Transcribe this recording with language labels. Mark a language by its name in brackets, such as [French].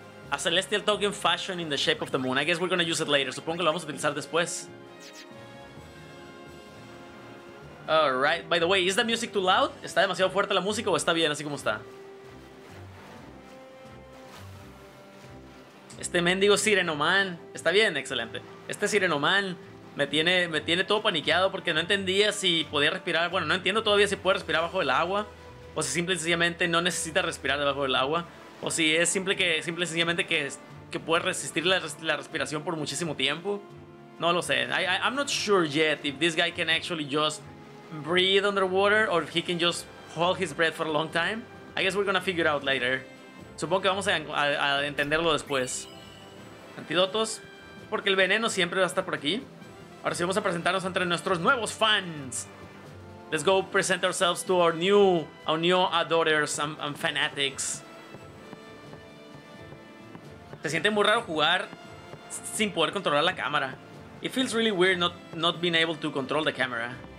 [English] A celestial token fashioned in the shape of the moon. I guess we're gonna use it later. [Spanish] Supongo que lo vamos a utilizar después. [English] Alright, by the way, is the music too loud? [Spanish] ¿Está demasiado fuerte la música o está bien así como está? Este mendigo sirenoman. Está bien, excelente. Este sirenoman me tiene todo paniqueado porque no entendía si podía respirar. Bueno, no entiendo todavía si puede respirar bajo el agua. O si simple y sencillamente no necesita respirar debajo del agua. O si es simple y sencillamente que puede resistir la respiración por muchísimo tiempo. No lo sé. [English] I'm not sure yet if this guy can actually just breathe underwater or if he can just hold his breath for a long time. I guess we're gonna figure out later. [Spanish] Supongo que vamos a entenderlo después. Antídotos. Porque el veneno siempre va a estar por aquí. Ahora sí, vamos a presentarnos entre nuestros nuevos fans. [English] Let's go present ourselves to our new adorers and fanatics. [Spanish] Se siente muy raro jugar sin poder controlar la cámara. [English] It feels really weird not being able to control the camera.